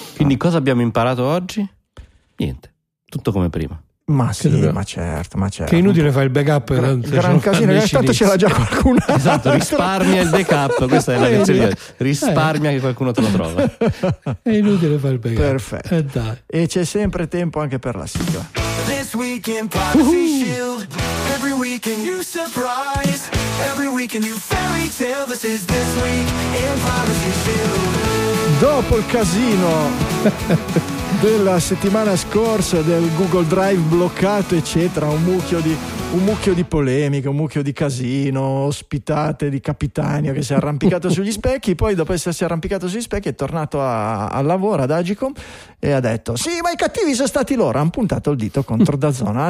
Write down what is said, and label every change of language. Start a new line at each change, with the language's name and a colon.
Italian: Quindi cosa abbiamo imparato oggi? Niente, tutto come prima. Ma sì, ma certo. Che inutile fare il backup. Gran casino, intanto ce l'ha già qualcuno. Esatto, risparmia il backup, questa è la canzone. Risparmia che qualcuno te lo trova. È inutile fare il backup. Perfetto. Dai. E c'è sempre tempo anche per la sigla.
English: This week in Privacy Shield, every week a new surprise, every week a new fairy tale, this is This Week in Privacy Shield.
Italian: Dopo il casino della settimana scorsa del Google Drive bloccato eccetera, un mucchio di polemiche, un mucchio di casino, ospitate di Capitanio che si è arrampicato sugli specchi, poi dopo essersi arrampicato sugli specchi è tornato al lavoro ad Agicom e ha detto sì, ma i cattivi sono stati loro, hanno puntato il dito contro DAZN.